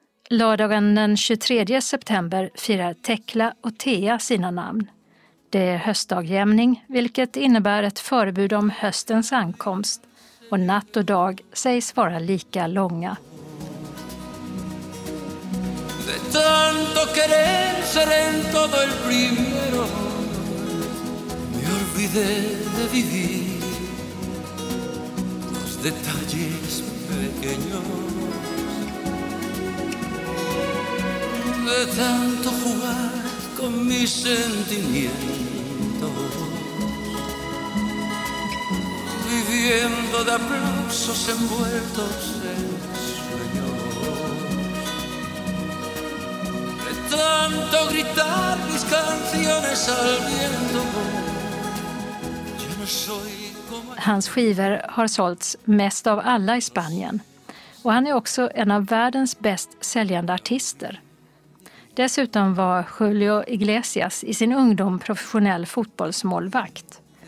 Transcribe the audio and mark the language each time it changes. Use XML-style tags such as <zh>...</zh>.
<sv>Lördagen den 23 september firar Tekla och Thea sina namn. Det är höstdagjämning, vilket innebär ett förbud om höstens ankomst, och natt och dag sägs vara lika långa.</sv> <es>De tanto querer ser en todo el primero, me olvidé de vivir los detalles pequeños. De tanto jugar con mis sentimientos, viviendo de aplausos envueltos en tanto gritar mis canciones al viento. Yo no soy como...</es> <sv>Hans skivor har sålts mest av alla i Spanien, och han är också en av världens bäst säljande artister. Dessutom var Julio Iglesias i sin ungdom professionell fotbollsmålvakt.</sv>